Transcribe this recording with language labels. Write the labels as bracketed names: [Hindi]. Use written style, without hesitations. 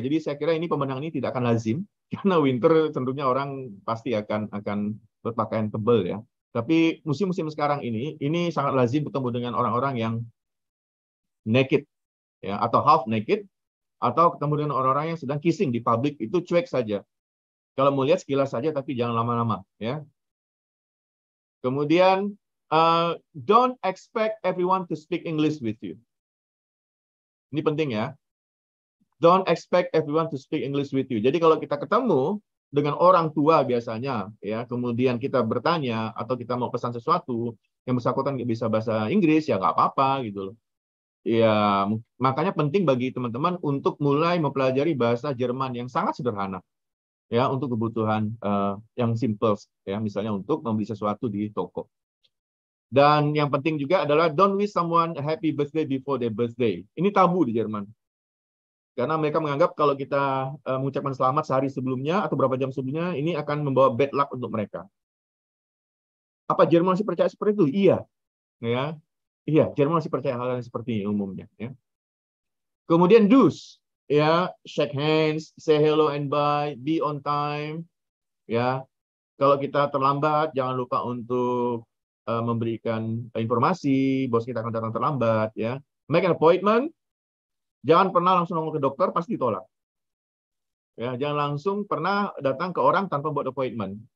[Indonesian] Jadi saya kira ini pemandangan ini tidak akan lazim karena winter tentunya orang pasti akan berpakaian tebal ya. Tapi musim-musim sekarang ini sangat lazim bertemu dengan orang-orang yang naked ya, atau half naked, atau ketemu dengan orang-orang yang sedang kissing di publik, itu cuek saja. Kalau mau lihat sekilas saja, tapi jangan lama-lama ya. Kemudian [English] don't expect everyone to speak English with you. [Indonesian] Ini penting ya. [English] Don't expect everyone to speak English with you. [Indonesian] Jadi kalau kita ketemu dengan orang tua biasanya ya, kemudian kita bertanya atau kita mau pesan sesuatu yang bersangkutan nggak bisa bahasa Inggris, ya nggak apa-apa gitu loh. Ya makanya penting bagi teman-teman untuk mulai mempelajari bahasa Jerman yang sangat sederhana ya, untuk kebutuhan yang simple ya, misalnya untuk membeli sesuatu di toko. Dan yang penting juga adalah [English] don't wish someone a happy birthday before their birthday. [Indonesian] Ini tabu di Jerman. Karena mereka menganggap kalau kita mengucapkan selamat sehari sebelumnya atau berapa jam sebelumnya, ini akan membawa [English] bad luck [Indonesian] untuk mereka. Apa Jerman masih percaya seperti itu? Iya. Ya. Iya, Jerman masih percaya hal-hal seperti ini umumnya. Ya. Kemudian do's. Ya. [English] Shake hands, say hello and bye, be on time. [Indonesian] Ya. Kalau kita terlambat, jangan lupa untuk memberikan informasi, bos kita akan datang terlambat. Ya. [English] Make an appointment. [Indonesian] Jangan pernah langsung nongol ke dokter, pasti ditolak. Ya, jangan langsung pernah datang ke orang tanpa buat appointment.